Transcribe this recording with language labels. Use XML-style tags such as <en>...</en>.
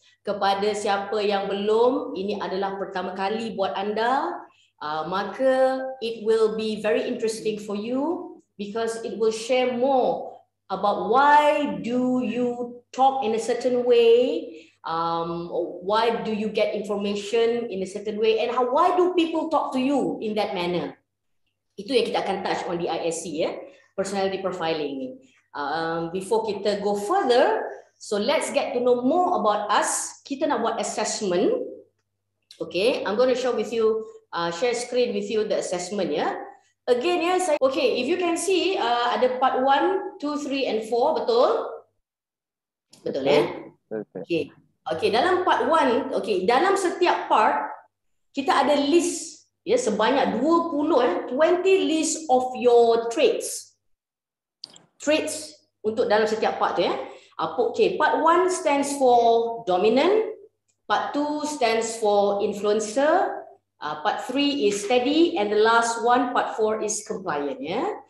<ms>Kepada siapa yang belum, ini adalah pertama kali buat anda, maka</ms> <en>it will be very interesting for you. Because it will share more about why do you talk in a certain way, why do you get information in a certain way, and how, why do people talk to you in that manner.</en> <ms>Itu yang kita akan</ms> <en>touch on the ISC,</en> <ms>ya, personality profiling ni.</ms> <en>Before kita go further, so let's get to know more about us.</en> <ms>Kita nak buat assessment.</ms> <en>Okay, I'm going to share with you, share screen with you the assessment, ya. Again, yes. Okay, if you can see, ada part 1, 2, 3 and 4,</en> <ms>betul? Betul, ya? Okay. Okay, dalam part 1, okay, dalam setiap part, kita ada list, ya, sebanyak 20</ms> <en>list of your traits.</en> <ms>Traits untuk dalam setiap part tu, ya.</ms> <en>Okay, part 1 stands for dominant, part 2 stands for influencer, part 3 is steady, and the last one, part 4 is compliant, ya.</en>